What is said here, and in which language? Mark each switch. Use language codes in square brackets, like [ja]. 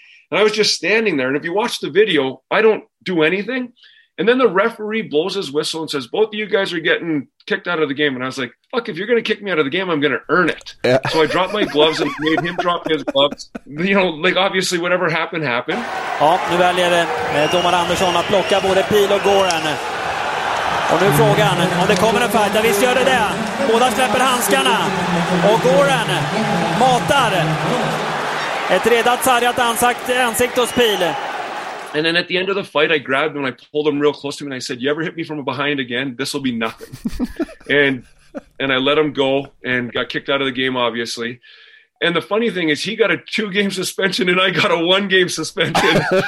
[en] And I was just standing there. And if you watch the video, I don't do anything. And then the referee blows his whistle and says, both of you guys are getting kicked out of the game. And I was like, fuck, if you're going to kick me out of the game, I'm going to earn it. Yeah. So I dropped my gloves and made him drop his gloves. You know, like obviously whatever happened. [sv] Ja, nu väljer domare Andersson att plocka både Pihl och Goran. Och nu frågan om det kommer en fight. Ja, visst gör det det. Båda släpper handskarna. Och Goran matar ett redat sargat ansikt hos Pihl. [en] And then at the end of the fight, I grabbed him and I pulled him real close to me and I said, you ever hit me from behind again, this will be nothing. and I let him go and got kicked out of the game, obviously. And the funny thing is he got a 2-game suspension and I got a 1-game suspension.